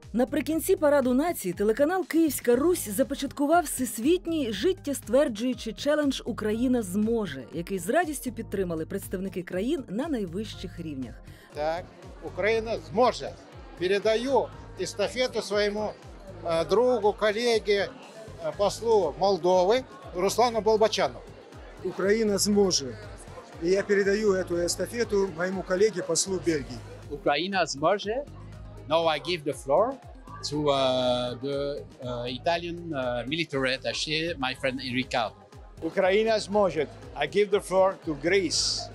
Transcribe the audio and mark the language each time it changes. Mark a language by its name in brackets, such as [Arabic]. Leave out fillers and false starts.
[Ukrainian] Наприкінці параду нації телеканал «Київська Русь» започаткував всесвітній життєстверджуючий челендж «Україна зможе», який з радістю підтримали представники країн на найвищих рівнях. Так, Україна зможе. Передаю естафету своєму другу, колегі, послу Молдови Руслану Болбочану. [Russian] Украина сможет. И я передаю эту эстафету моему коллеге послу Бельгии. Украина сможет. [English] Now I give the floor to the Italian military attaché, my friend Enrico. [Russian] Украина сможет. [English] I give the floor to Greece.